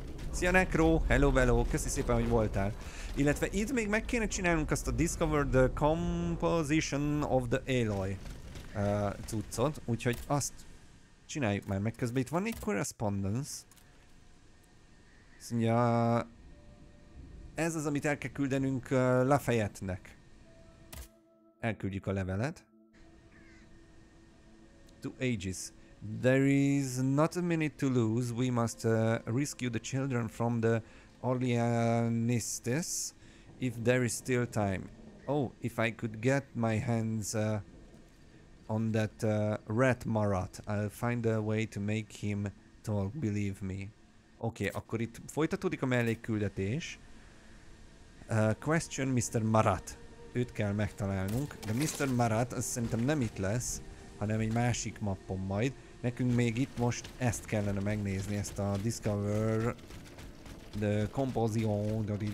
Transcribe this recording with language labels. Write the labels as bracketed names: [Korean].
[Hungarian] Szia Necro, hello velo, köszi szépen, hogy voltál. Illetve itt még meg kéne csinálnunk azt a Discover the Composition of the Alloy cuccot, úgyhogy azt csináljuk már meg közben. Itt van egy correspondence. Szia... Ez az, amit el kell küldenünk Lafayette-nek. Elküldjük a levelet. To Aegis. [English] There is not a minute to lose. We must rescue the children from the Orleanistis if there is still time. Oh, if I could get my hands on that rat Marat, I'll find a way to make him talk, believe me. [Hungarian] Okay, akkor itt folytatódik a mellékküldetés. [English] Question Mr. Marat. [Hungarian] Őt kell megtalálnunk, de Mr. Marat az szerintem nem itt lesz, hanem egy másik mappon majd. Nekünk még itt most ezt kellene megnézni, ezt a Discover the Composition.